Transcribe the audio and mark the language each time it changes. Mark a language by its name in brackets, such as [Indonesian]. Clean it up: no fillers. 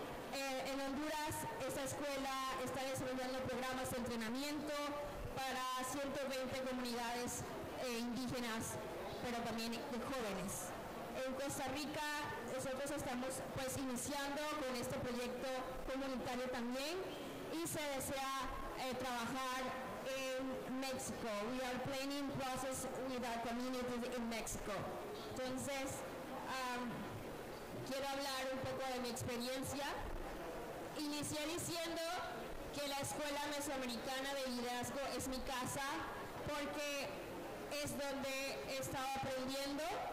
[Spanish] En Honduras, esta escuela está desarrollando programas de entrenamiento para 120 comunidades indígenas, pero también de jóvenes. En Costa Rica, nosotros estamos pues iniciando con este proyecto comunitario también y se desea trabajar en México. [English] We are planning process with our community in Mexico. [Spanish] Entonces, quiero hablar un poco de mi experiencia. Inicié diciendo que la Escuela Mesoamericana de Liderazgo es mi casa porque es donde he estado aprendiendo.